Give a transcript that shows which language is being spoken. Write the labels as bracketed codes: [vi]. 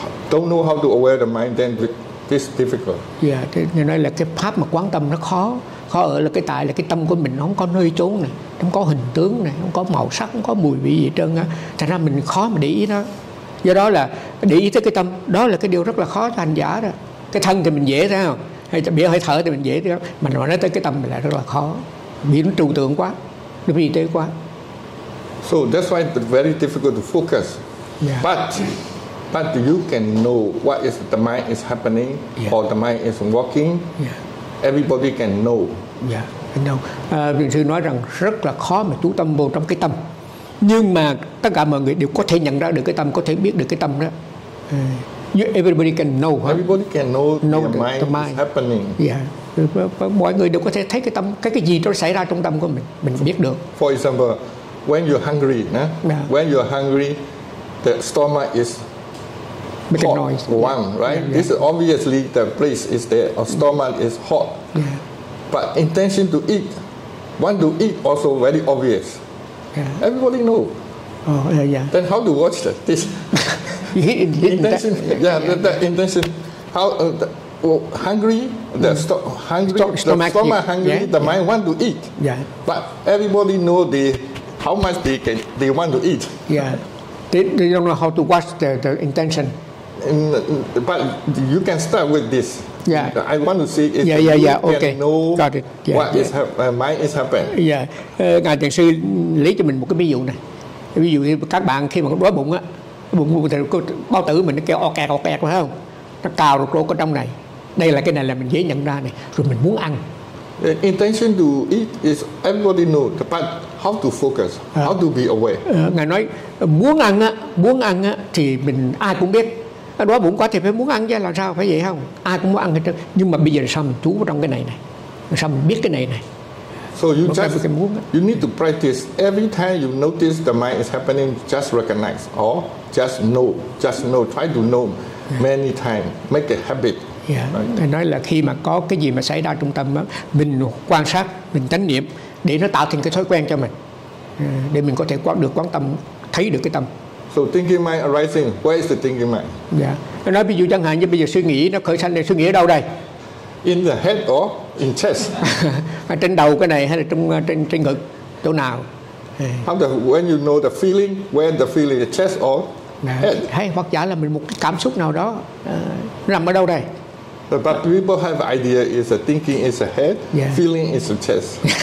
[en] Don't know how to aware the mind, then this difficult. [vi] Yeah, thế nói là cái pháp mà quán tâm nó khó. Khó ở là cái tại là cái tâm của mình nó không có nơi chốn này, không có hình tướng này, không có màu sắc, không có mùi vị gì trơn á. Thành ra mình khó mà để ý nó. Do đó là để ý tới cái tâm, đó là cái điều rất là khó cho hành giả đó. Cái thân thì mình dễ thấy không? Hay cho biết hơi thở thì mình dễ thấy không? Mà nói tới cái tâm thì lại rất là khó. Vì nó trừu tượng quá, nó vì tế quá. [en] So that's why it's very difficult to focus. Yeah. But you can know what is the mind is happening, yeah, or the mind is walking. Yeah. Everybody can know. Yeah, I know. [vi] Vị sư nói rằng rất là khó mà chú tâm vô trong cái tâm. Nhưng mà tất cả mọi người đều có thể nhận ra được cái tâm, có thể biết được cái tâm đó. [en] Everybody can know. Huh? Everybody can know the mind is happening. Yeah. [vi] Mọi người đều có thể thấy cái tâm, cái gì nó xảy ra trong tâm của mình. Mình biết được. [en] For example, when you're hungry, yeah, when you're hungry, the stomach is making noise. Warm, right? Yeah, yeah. This is obviously the place is there. Our stomach is hot. Yeah. But intention to eat, want to eat also very obvious. Yeah. Everybody know. Oh, yeah, yeah. Then how to watch that? This intention. That intention. How hungry? The stomach hungry. Yeah, the mind want to eat. Yeah. But everybody know the how much they can they want to eat. Yeah. They don't know how to watch the intention. But you can start with this. Yeah. I want to see if you can know what is mind is happening. Yeah. [vi] Ngài Thiền Sư lấy cho mình một cái ví dụ này. Ví dụ như các bạn khi mà đói bụng á, bụng bụng thì bao tử mình nó kêu o kẹt phải không? Nó cào rồi rồi có trong này. Đây là cái này là mình dễ nhận ra này. Rồi mình muốn ăn. [en] The intention to eat is everybody know, but how to focus, how to be aware. [vi] Ngài nói muốn ăn á thì mình ai cũng biết. Đó bụng quá thì phải muốn ăn chứ là sao phải vậy không? Ai cũng muốn ăn hết trơn. Nhưng mà bây giờ sao mình chú vào trong cái này này? Sao mình biết cái này này? [en] So you một just [vi] cái muốn [en] you need to practice every time you notice the mind is happening, just recognize or just know, try to know many times, make a habit. Yeah. [vi] Right. Nói là khi mà có cái gì mà xảy ra trong tâm đó, mình quan sát, mình chánh niệm để nó tạo thành cái thói quen cho mình, để mình có thể quán được quán tâm, thấy được cái tâm. [en] So thinking mind arising, where is the thinking mind? Yeah. [vi] Nói ví dụ chẳng hạn như bây giờ suy nghĩ nó khởi sanh lên, suy nghĩ ở đâu đây? [en] In the head or in chest? [vi] Trên đầu cái này hay là trong trên trên ngực chỗ nào? [en] How the when you know the feeling, where the feeling, the chest or head? [vi] Hay hoặc giả là mình một cái cảm xúc nào đó nằm ở đâu đây? [en] But people have idea is a thinking is a head, yeah, feeling is a chest.